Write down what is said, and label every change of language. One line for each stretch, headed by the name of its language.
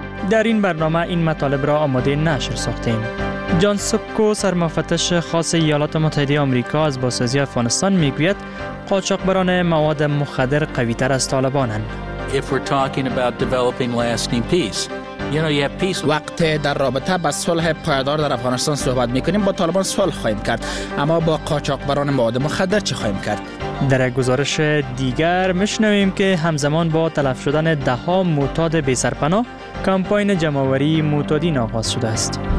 Persian: در این برنامه این مطالب را آماده نشر ساختیم. جان سپکو، سرمفتش خاص ایالات متحده آمریکا از بازسازی افغانستان میگوید قاچاقبران مواد مخدر قوی تر از طالبانند.
English: If we're talking about developing lasting peace, you know, you have peace.
Persian: وقت در رابطه با صلح پایدار در افغانستان صحبت میکنیم، با طالبان صلح خواهیم کرد، اما با قاچاقبران مواد مخدر چه خواهیم کرد؟ در یک گزارش دیگر میشنویم که همزمان با تلف شدن ده ها معتاد بی سرپناه، کمپاین جمع‌آوری معتادین آغاز شده است.